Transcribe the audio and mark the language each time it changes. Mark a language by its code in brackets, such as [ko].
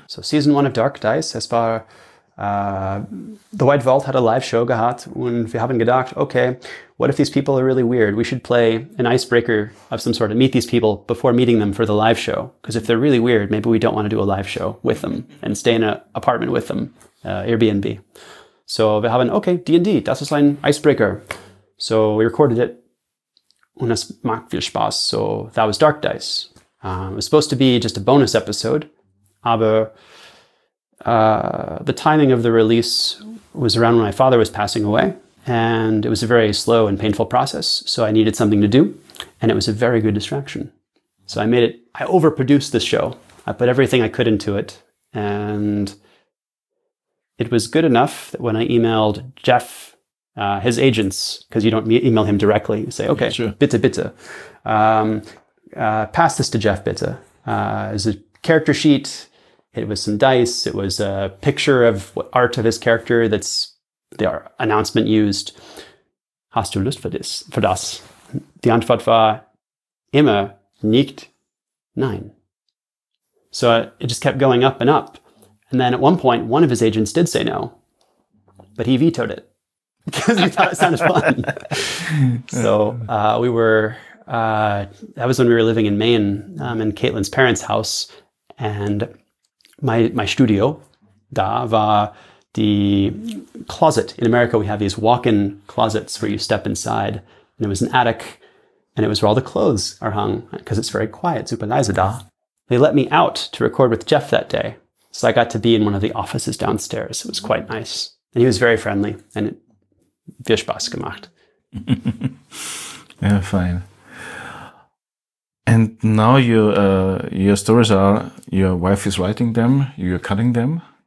[en] So season one of Dark Dice, as far the White Vault had a live show [de] gehabt und wir haben gedacht, [en] okay, what if these people are really weird? We should play an icebreaker of some sort and meet these people before meeting them for the live show. Because if they're really weird, maybe we don't want to do a live show with them and stay in an apartment with them, Airbnb. So [de] wir haben, [en] okay, D&D, [de] das ist ein [en] icebreaker. So we recorded it [de] und es macht viel Spaß. [en] So, that was Dark Dice. It was supposed to be just a bonus episode, [de] aber [en] the timing of the release was around when my father was passing away, and it was a very slow and painful process, so I needed something to do, and it was a very good distraction. So I made it, I overproduced the show. I put everything I could into it, and it was good enough that when I emailed Jeff, his agents, because you don't email him directly, you say, okay, yeah, sure. [de] Bitte, bitte. [en] Pass this to Jeff, [de] bitte. [en] It was a character sheet. It was some dice. It was a picture of what art of his character that's the announcement used. [de] Hast du Lust für das? Die Antwort war immer nicht nein. [en] So it just kept going up and up. And then at one point, one of his agents did say no, but he vetoed it because he thought it sounded fun. So we were, that was when we were living in Maine, in Caitlin's parents' house. And my studio, [de] da war [en] the closet. In America, we have these walk-in closets where you step inside. And it was an attic, and it was where all the clothes are hung because it's very quiet, [de] super leise da. [en] They let me out to record with Jeff that day. So I got to be in one of the offices downstairs. It was quite nice. And he was very friendly. And it [de] viel Spaß gemacht. [en] Yeah, fine. And now your stories are, your wife is writing them, you're cutting them.